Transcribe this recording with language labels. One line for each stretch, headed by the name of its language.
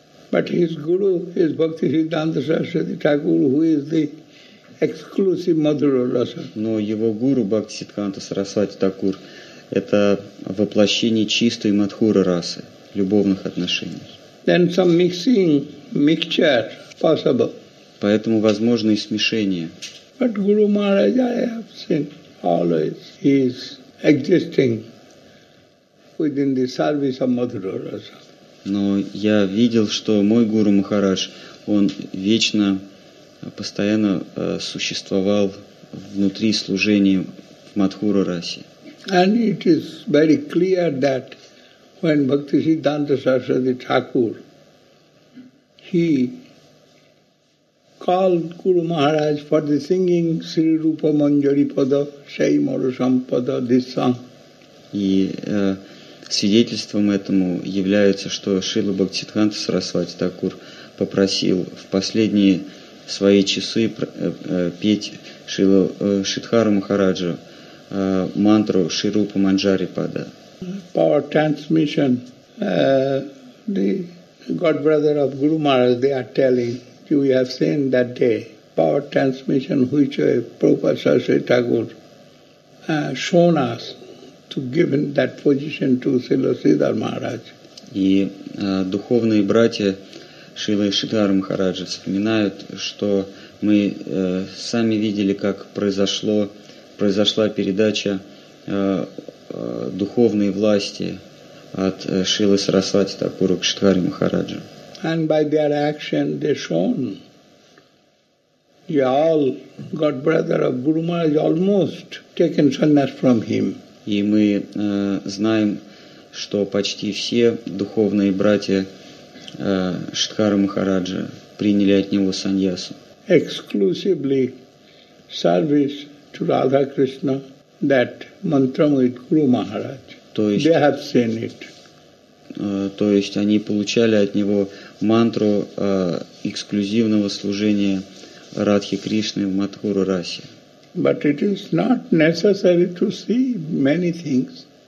English: But his guru is Bhaktivedanta Saraswati Thakur, who is the exclusive Madhura Rasa.
Russian: Но его гуру Бхактисиддханта Сарасвати Такур – это воплощение чистой Мадхура Расы, любовных отношений.
English: Then some mixing, mixture possible.
Russian: Поэтому возможны и смешения.
English: But Guru Maharaj, I have seen always, he is existing within the service of Madhura Rasa.
Russian: Но я видел, что мой Гуру Махарадж, он вечно, постоянно существовал внутри служения в Мадхура Расе.
English: And it is very clear that when Bhaktisiddhanta Saraswati Thakur, he called Guru Maharaj for the singing Sri Rupa Manjari Pada, Shai Maru Sampada, this song.
Russian: И свидетельством этому является, что Шрила Бхактисиддханта Сарасвати Такур попросил в последние свои часы петь Шридхару Махараджу мантру Шри Рупа Манджари Пада.
English: Power transmission, the God brother of Guru Maharaj, they are telling, you have seen that day, power transmission which Prabhupada Saraswati Thakur shown us to give that position to Srila Sridhar Maharaj.
Russian: И духовные братья Шрила и Шридхара Махараджа вспоминают, что мы сами видели, как произошла передача духовной власти от Шрилы Сарасвати Такура к Шридхаре Махараджу.
English: And by their action they shown, you all got brother of Guru Maharaj almost taken sannyas from him.
Russian: И мы знаем, что почти все духовные братья Шридхара Махараджа приняли от него саньясу.
English: Exclusively service to Radha Krishna, that mantra with Guru Maharaj.
Russian: То есть,
English: they have seen it.
Russian: То есть они получали от него мантру эксклюзивного служения Радхи Кришны в Мадхура Расе.
English: But it is not necessary to see many things.